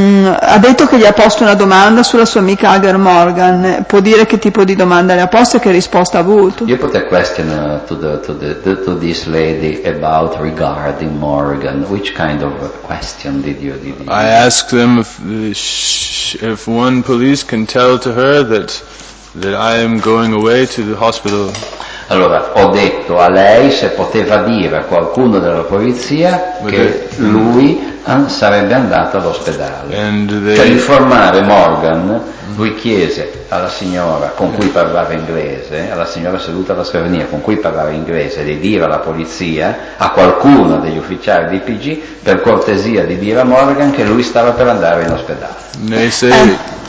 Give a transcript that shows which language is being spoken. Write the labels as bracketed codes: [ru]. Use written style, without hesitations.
[it] Ha detto che gli ha posto una domanda sulla sua amica Hager Morgan. Può dire che tipo di domanda le ha posto e che risposta ha avuto? [en] You put a question to this lady about regarding Morgan. Which kind of question did you? I asked them if one police can tell to her that I am going away to the hospital. [it] Allora, ho detto a lei se poteva dire a qualcuno della polizia che lui sarebbe andato all'ospedale. Per informare Morgan, lui chiese alla signora con cui parlava inglese, alla signora seduta alla scrivania con cui parlava inglese, di dire alla polizia, a qualcuno degli ufficiali di PG, per cortesia di dire a Morgan che lui stava per andare in ospedale.